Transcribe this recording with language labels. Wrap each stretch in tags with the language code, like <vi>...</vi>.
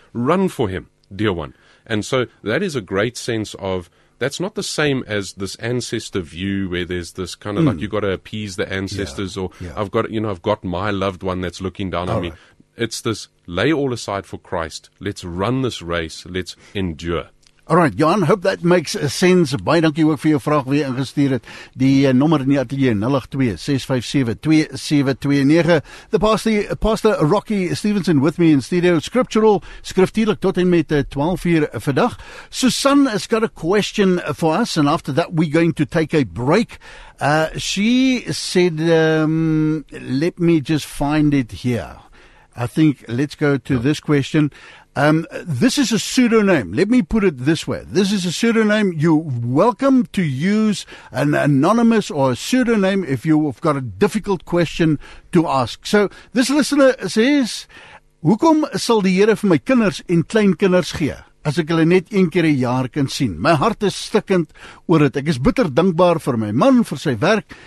<en>Run for him, dear one. And so that is a great sense of, that's not the same as this ancestor view where there's this kind of like, you've got to appease the ancestors I've got my loved one that's looking down on me. Right. It's this, lay all aside for Christ. Let's run this race. Let's endure. All right, Jan, hope that makes sense.</en> <af>Baie dankie ook vir jou vraag weer ingestuur het. Die nommer in die atelier, 082-657-2729.</af> <en>The pastor Rocky Stevenson with me in studio. Scriptural,</en> <af>skriftuurlijk, tot en met 12 uur vandag.</af> <en>Susan has got a question for us, and after that we're going to take a break. She said, let me just find it here. I think let's go to this question. This is a pseudonym. Let me put it this way. This is a pseudonym. You're welcome to use an anonymous or a pseudonym if you've got a difficult question to ask. So this listener says,</en> <af>"Hoekom sal die Here vir my kinders en kleinkinders gee as ek hulle net een keer 'n jaar kan sien? My hart is stikkend oor dit. Ek is bitter dankbaar vir my man, vir sy werk.</af>